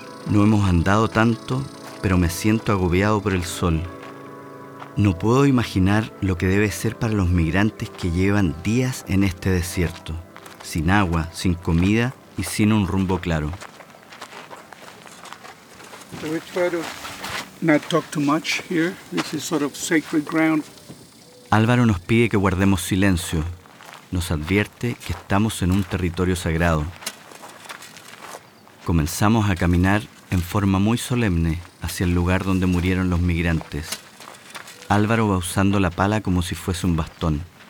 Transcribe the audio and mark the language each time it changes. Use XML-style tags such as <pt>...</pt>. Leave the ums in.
<es>No hemos andado tanto, pero me siento agobiado por el sol. No puedo imaginar lo que debe ser para los migrantes que llevan días en este desierto, sin agua, sin comida y sin un rumbo claro.</es> <en>So we try to not talk too much here. This is sort of sacred ground.</en> <es>Álvaro nos pide que guardemos silencio. Nos advierte que estamos en un territorio sagrado. Comenzamos a caminar en forma muy solemne hacia el lugar donde murieron los migrantes. Álvaro va usando la pala como si fuese un bastón.</es>